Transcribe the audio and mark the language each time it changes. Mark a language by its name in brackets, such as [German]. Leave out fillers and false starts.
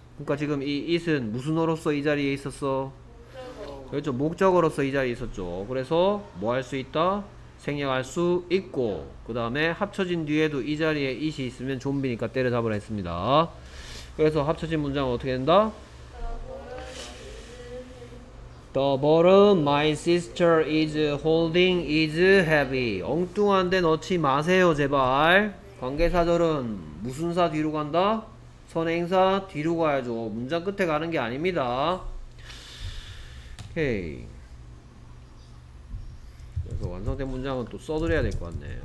[Korean] 그러니까 지금 이 it은 무슨 어로서 이 자리에 있었어? 그렇죠. 목적으로서 이 자리에 있었죠. 그래서 뭐할수 있다? 생략할 수 있고, 그 다음에 합쳐진 뒤에도 이 자리에 it이 있으면 좀비니까 때려잡으라 했습니다. 그래서 합쳐진 문장은 어떻게 된다? [English] The bottle my sister is holding is heavy. [Korean] 엉뚱한데 넣지 마세요, 제발. 관계사절은 무슨 사 뒤로 간다? 선행사 뒤로 가야죠. 문장 끝에 가는 게 아닙니다. 오케이. 그래서 완성된 문장은 또 써드려야 될것 같네.